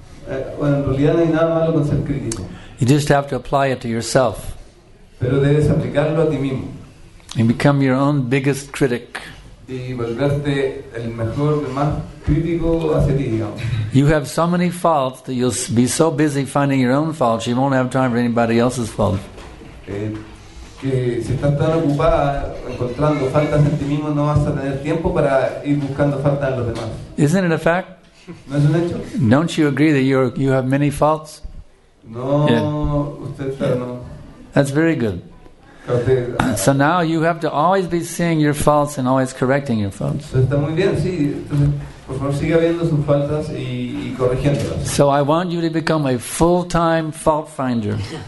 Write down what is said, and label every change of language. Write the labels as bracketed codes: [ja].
[es] En realidad no hay nada malo con ser crítico. [en] You just have to apply it to yourself. [es] Pero debes aplicarlo a ti mismo. [en] And become your own biggest critic. [es] Y volverte el mejor, el más crítico hacia ti, digamos. [en] You have so many faults that you'll be so busy finding your own faults, you won't have time for anybody else's faults. [es] que si estás tan ocupada encontrando faltas en ti mismo, no vas a tener tiempo para ir buscando faltas en los demás. [en] Isn't it a fact? [es] ¿No es un hecho? [en] Don't you agree that you have many faults? [es] No, yeah. Usted está, yeah. No. [en] That's very good. So now you have to always be seeing your faults and always correcting your faults. So I want you to become a full-time fault finder.